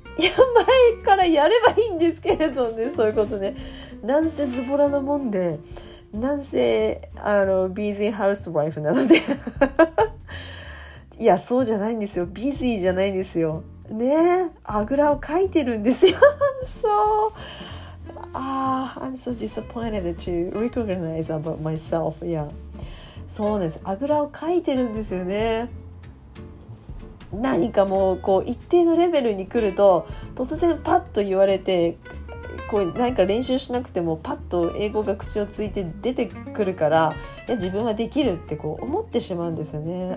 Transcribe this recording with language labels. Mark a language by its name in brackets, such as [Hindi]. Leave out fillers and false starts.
[Japanese] いや前からやればいいんですけれどね、そういうことね、なんせズボラなもんで、なんせあのビジーハウスワイフなのでいやそうじゃないんですよ、ビジーじゃないんですよね、あぐらをかいてるんですよ。 [English] そう、I'm so disappointed to recognize about myself. Yeah. [Japanese] そうです。あぐらをかいてるんですよね。何かもうこう一定のレベルに来ると突然パッと言われて、こう何か練習しなくてもパッと英語が口をついて出てくるから、いや自分はできるってこう思ってしまうんですよね。